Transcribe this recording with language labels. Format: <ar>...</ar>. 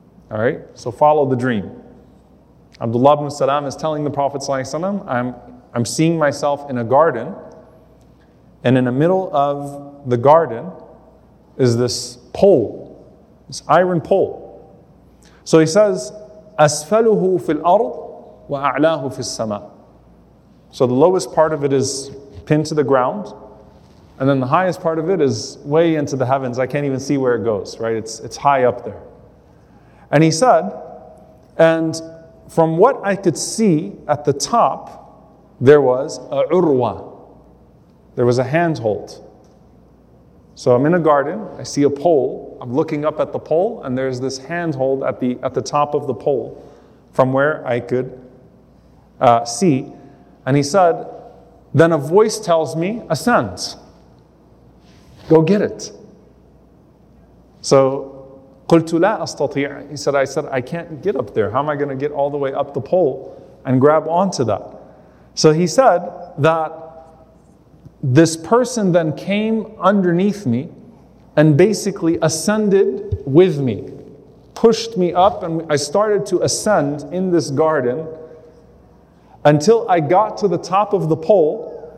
<en>All right, so follow the dream. Abdullah ibn Salam is telling the Prophet sallallahu alaihi wasallam, I'm seeing myself in a garden, and in the middle of the garden is this pole, this iron pole. So he says,</en> <ar>أَسْفَلُهُ فِي الْأَرْضِ وَأَعْلَاهُ فِي السَّمَاءِ.</ar> <en>So the lowest part of it is pinned to the ground, and then the highest part of it is way into the heavens. I can't even see where it goes, right? It's high up there. And he said, and from what I could see at the top, there was a urwa. There was a handhold. So I'm in a garden, I see a pole, I'm looking up at the pole, and there's this handhold at the top of the pole from where I could see. And he said, then a voice tells me, ascend. Go get it.</en> <ar>So, قُلْتُ لَا أَسْتَطِيعَ.</ar> <en>He said, I can't get up there. How am I going to get all the way up the pole and grab onto that? So he said that this person then came underneath me and basically ascended with me, pushed me up, and I started to ascend in this garden until I got to the top of the pole.</en>